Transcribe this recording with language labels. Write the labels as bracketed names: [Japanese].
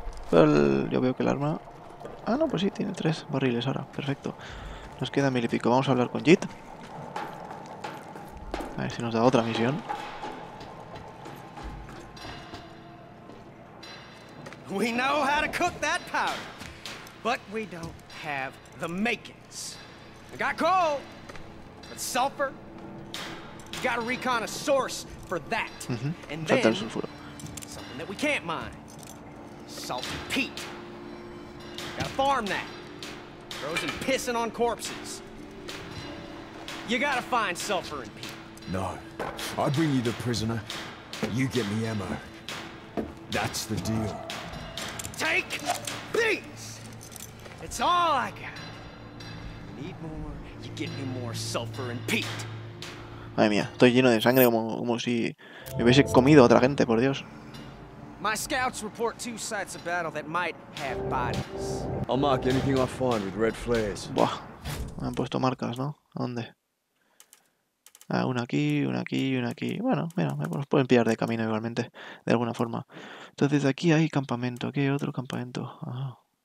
[Spanish] Yo veo que el arma... Ah, no, pues sí, tiene tres barriles ahora. Perfecto. Nos queda mil y pico. Vamos a hablar con Jit. A ver si nos da otra misión. [English] We know how to cook that powder, but we don't have the makings. We got coal, but sulfur. We got to recon a source for that, and then something that we can't mine: sulfur peat. Got to farm that. Grows in pissing on corpses. You got to find sulfur and peat. No, I bring you the prisoner. You get me ammo. That's the deal. Take these! It's all I got. You need more, you get me more sulfur and peat. [Spanish] Madre mía, estoy lleno de sangre como si me hubiese comido otra gente, por Dios. [English] My scouts report two sites of battle that might have bodies. I'll mark anything I find with red flares. [Spanish] Buah, me han puesto marcas, ¿no? ¿Dónde? Ah, una aquí, una aquí y una aquí. Bueno, mira, nos pueden pillar de camino igualmente, de alguna forma. Entonces, aquí hay campamento. Aquí hay otro campamento. Ah.